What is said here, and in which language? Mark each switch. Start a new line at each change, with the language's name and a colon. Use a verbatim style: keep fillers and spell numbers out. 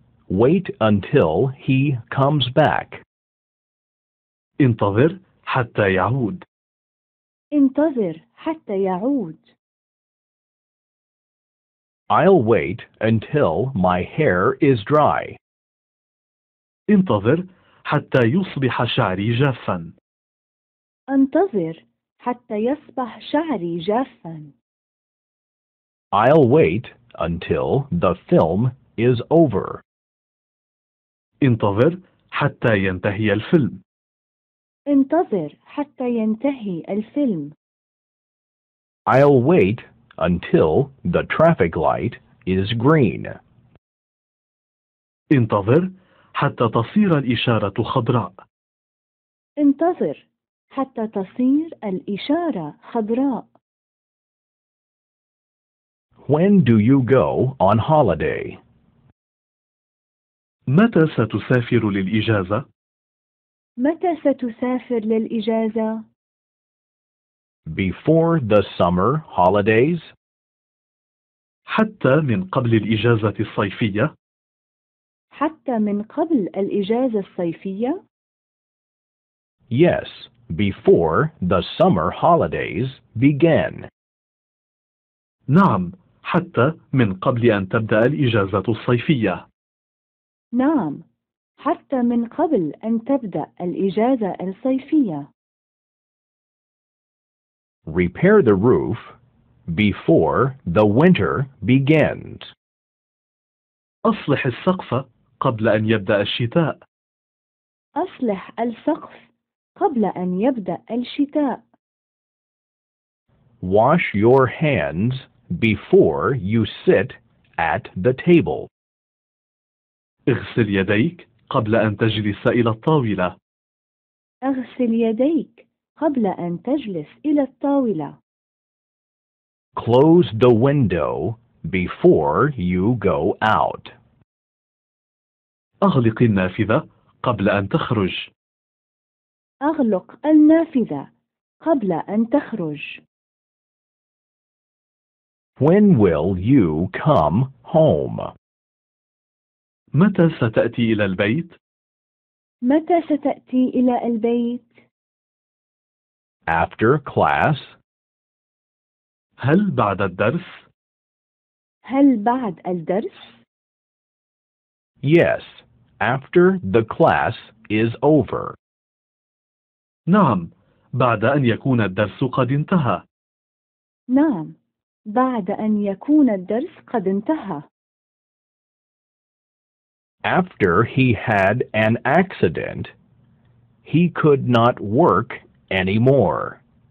English: Wait until he comes back.
Arabic: انتظر حتى يعود. انتظر حتى يعود
English: I'll wait until my hair is dry.
Arabic: انتظر حتى يصبح شعري جافا. انتظر حتى يصبح شعري جافا
English: I'll wait until the film is over.
Arabic: انتظر حتى ينتهي الفيلم. انتظر حتى ينتهي الفيلم
English: I'll wait until the traffic light is green.
Arabic: انتظر حتى تصير الإشارة خضراء. انتظر حتى تصير الإشارة خضراء
English: When do you go on holiday?
Arabic: متى ستسافر للإجازة؟ متى ستسافر للإجازة؟
English: Before the summer holidays?
Arabic: حتى من قبل الإجازة الصيفية. حتى من قبل الإجازة الصيفية؟
English: Yes, before the summer holidays begin.
Arabic: نعم، حتى من قبل أن تبدأ الإجازة الصيفية. نعم، حتى من قبل أن تبدأ الإجازة الصيفية
English: Repair the roof before the winter begins.
Arabic: أصلح السقف قبل أن يبدأ الشتاء. أصلح السقف قبل أن يبدأ الشتاء
English: Wash your hands before you sit at the table.
Arabic: اغسل يديك قبل أن تجلس إلى الطاولة. اغسل يديك قبل أن تجلس إلى الطاولة
English: Close the window before you go out.
Arabic: أغلق النافذة قبل أن تخرج. أغلق النافذة قبل أن تخرج
English: When will you come home?
Arabic: متى ستأتي إلى البيت؟ متى ستأتي إلى البيت؟
English: After class.
Arabic: هل بعد الدرس؟ هل بعد الدرس؟
English: Yes, after the class is over.
Arabic: نعم، بعد أن يكون الدرس قد انتهى. نعم، بعد أن يكون الدرس قد انتهى
English: After he had an accident, he could not work anymore.